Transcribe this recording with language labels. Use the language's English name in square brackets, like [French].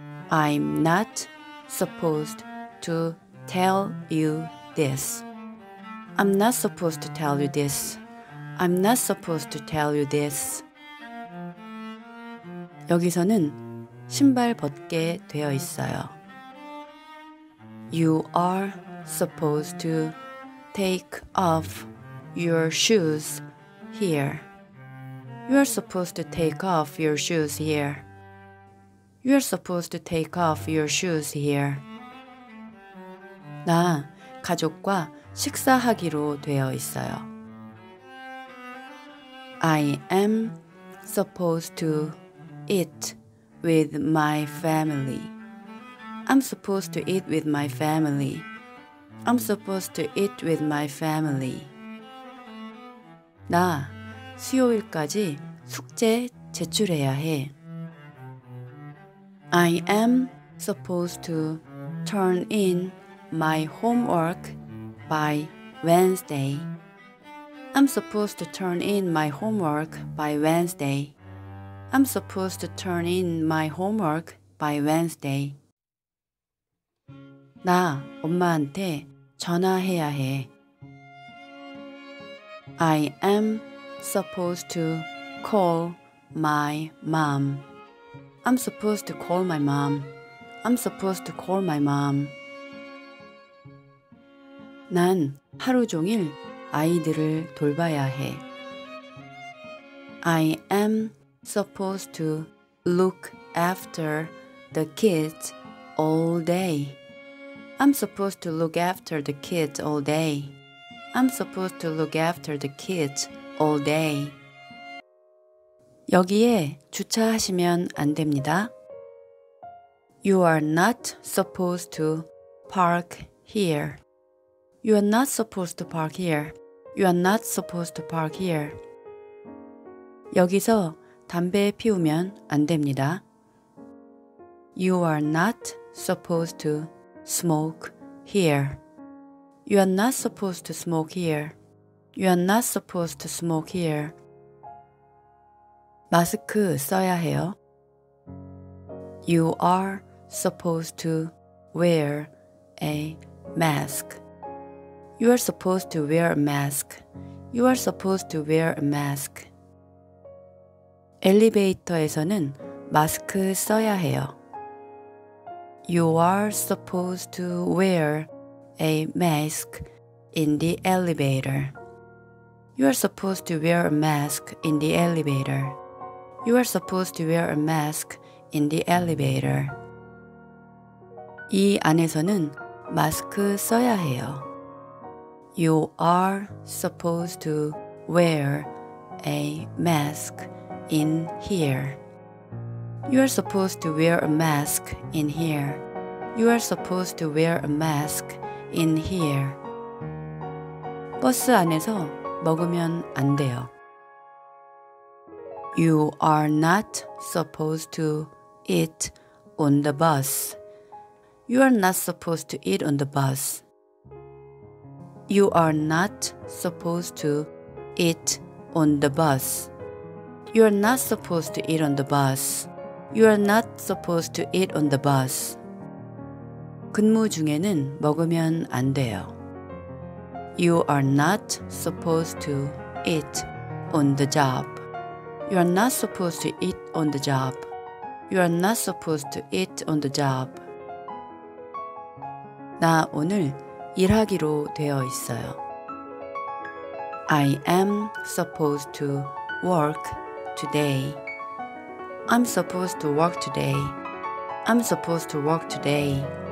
[English] I'm not supposed to tell you this. I'm not supposed to tell you this. I'm not supposed to tell you this. [Korean] 여기서는 신발 벗게 되어 있어요. [English] You are supposed to take off your shoes here. You're supposed to take off your shoes here. You're supposed to take off your shoes here. [Korean] 나 가족과 식사하기로 되어 있어요. [English] I am supposed to eat with my family. I'm supposed to eat with my family. I'm supposed to eat with my family. [Korean] 나 수요일까지 숙제 제출해야 해. [English] I am supposed to turn in my homework by Wednesday. I'm supposed to turn in my homework by Wednesday. I'm supposed to turn in my homework by Wednesday. [Korean] 나 엄마한테 전화해야 해. [English] I am supposed to call my mom. I'm supposed to call my mom. I'm supposed to call my mom. [Korean] 난 하루 종일 아이들을 돌봐야 해. [English] I am supposed to look after the kids all day. I'm supposed to look after the kids all day. I'm supposed to look after the kids all day. [Korean] 여기에 주차하시면 안 됩니다. [English] You are not supposed to park here. You are not supposed to park here. You are not supposed to park here. [Korean] 여기서 담배 피우면 안 됩니다. [English] You are not supposed to smoke here. You are not supposed to smoke here. You are not supposed to smoke here. [Korean] 마스크 써야 해요. [English] You are supposed to wear a mask. You are supposed to wear a mask. You are supposed to wear a mask. [Korean] 엘리베이터에서는 마스크 써야 해요. [English] You are supposed to wear a mask in the elevator. You are supposed to wear a mask in the elevator. You are supposed to wear a mask in the elevator. [Korean] 이 안에서는 마스크 써야 해요. [English] You are supposed to wear a mask in here. You are supposed to wear a mask in here. You are supposed to wear a mask in here. [Korean] 버스 안에서 먹으면 안 돼요. [English] You are not supposed to eat on the bus. You are not supposed to eat on the bus. You are not supposed to eat on the bus. You are not supposed to eat on the bus. You are not supposed to eat on the bus. [Korean] 근무 중에는 먹으면 안 돼요. [English] You are not supposed to eat on the job. You are not supposed to eat on the job. You are not supposed to eat on the job. [Korean] 나 오늘 일하기로 되어 있어요. [English] I am supposed to work today. I'm supposed to work today. I'm supposed to work today.